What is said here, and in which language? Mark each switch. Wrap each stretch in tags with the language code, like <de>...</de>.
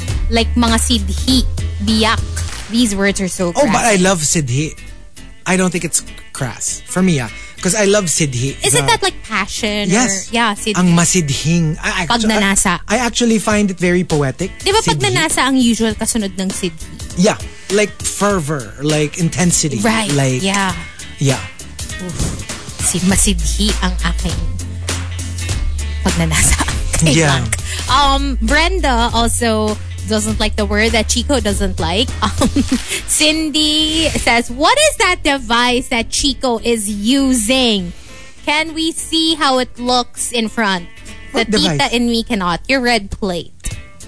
<tl>Like mga sidhi, biyak.</tl> <en>These words are so crass. Oh, but I love sidhi. I don't think it's crass. For me, because I love sidhi. Isn't that like passion? Yes. Or, yeah, sidhi.</en> <tl>Ang masidhing. Pag nanasa.</tl> <en>I actually find it very poetic.</en> <tl>Di ba pag nanasa ang usual kasunod ng sidhi?</tl> <en>Yeah. Like fervor. Like intensity. Right. Like, yeah. Yeah. Oof.</en> <tl>Masidhi ang aking pagnanasa.</tl> <en>Yeah. Brenda also doesn't like the word that Chico doesn't like. Cindy says, what is that device that Chico is using? Can we see how it looks in front? What the device? Tita in me cannot. Your red plate.</en>